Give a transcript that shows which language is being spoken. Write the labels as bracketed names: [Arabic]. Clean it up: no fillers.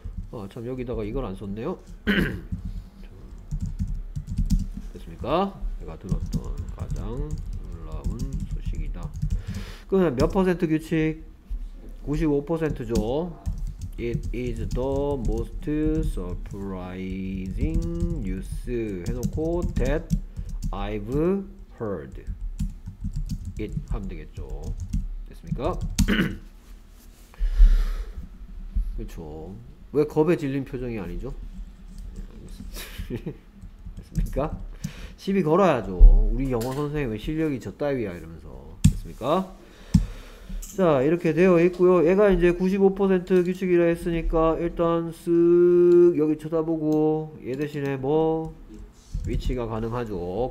[Korean] 아 참 여기다가 이걸 안 썼네요. 있었다. 내가 들었던 가장 놀라운 소식이다. 그러면 몇 퍼센트 규칙? 95%죠. [English] It is the most surprising news [Korean] 해놓고 [English] that I've heard it [Korean] 하면 되겠죠. 됐습니까? 그쵸. 왜 겁에 질린 표정이 아니죠? 됐습니까? 시비 걸어야죠. 우리 영어 선생님 왜 실력이 저 따위야 이러면서. 됐습니까? 자, 이렇게 되어 있고요. 얘가 이제 95% 규칙이라 했으니까 일단 쓱 여기 쳐다보고 얘 대신에 뭐 위치가 가능하죠.